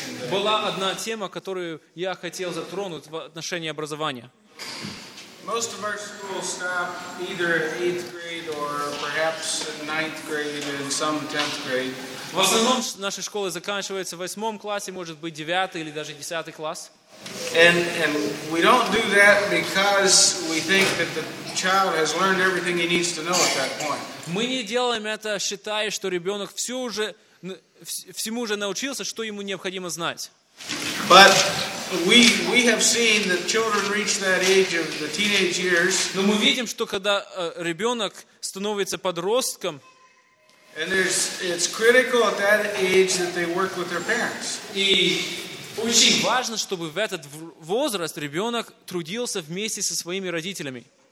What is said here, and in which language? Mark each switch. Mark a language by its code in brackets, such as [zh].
[ru] Была одна тема, которую я хотел затронуть в отношении образования. [en] Most of our schools stop either at 8th grade or perhaps 9th grade and some 10th grade. [ru] В основном наши школы заканчиваются в 8-м классе, может быть 9-й или даже 10-й класс. [en] And we don't do that because we think that the child has learned everything he needs to know at that point. [ru] Мы не делаем это, считая, что ребенок всему уже научился, что ему необходимо знать. [en] But we have seen that children reach that age of the teenage years. [ru] Но мы видим, что когда ребенок становится подростком, [en] and it's critical at that age that they work with their parents. [ru] И очень важно, чтобы в этот возраст ребенок трудился вместе со своими родителями.